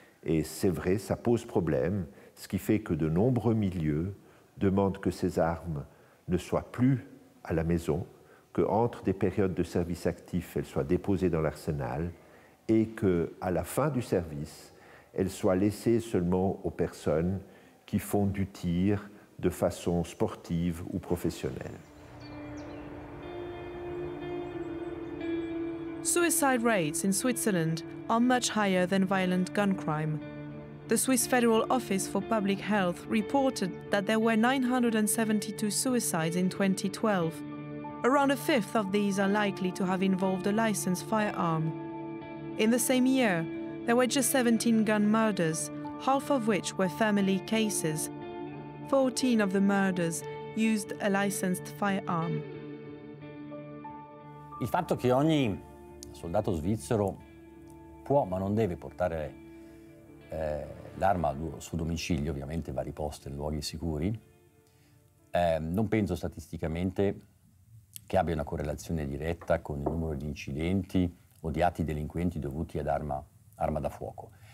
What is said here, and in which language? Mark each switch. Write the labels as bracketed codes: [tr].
[fr] Et c'est vrai, ça pose problème, ce qui fait que de nombreux milieux demandent que ces armes ne soient plus à la maison, qu'entre des périodes de service actif, elles soient déposées dans l'arsenal et qu'à la fin du service, elles soient laissées seulement aux personnes qui font du tir de façon sportive ou professionnelle. [en] Suicide rates in Switzerland are much higher than violent gun crime. The Swiss Federal Office for Public Health reported that there were 972 suicides in 2012. Around a fifth of these are likely to have involved a licensed firearm. In the same year, there were just 17 gun murders, half of which were family cases. 14 of the murders used a licensed firearm. [it] Il fatto che ogni soldato svizzero può ma non deve portare l'arma al suo domicilio, ovviamente va riposta in luoghi sicuri, non penso statisticamente che abbia una correlazione diretta con il numero di incidenti o di atti delinquenti dovuti ad arma da fuoco.